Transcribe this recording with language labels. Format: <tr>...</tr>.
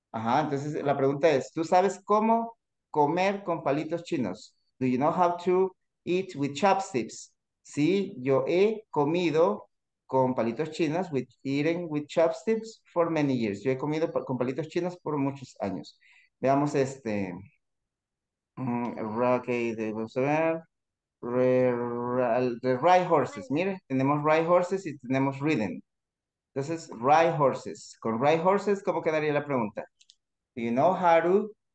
<es>Ajá, entonces la pregunta es, ¿tú sabes cómo comer con palitos chinos?</es> <en>Do you know how to eat with chopsticks?</en> <es>Sí, yo he comido con palitos chinos,</es> <en>with eating with chopsticks for many years.</en> <es>Yo he comido con palitos chinos por muchos años. Veamos este. Vamos a ver. The ride horses. Mire, tenemos ride horses y tenemos ridden. Entonces, ride horses. Con ride horses, ¿cómo quedaría la pregunta?</es> <en>Do you know how to</en>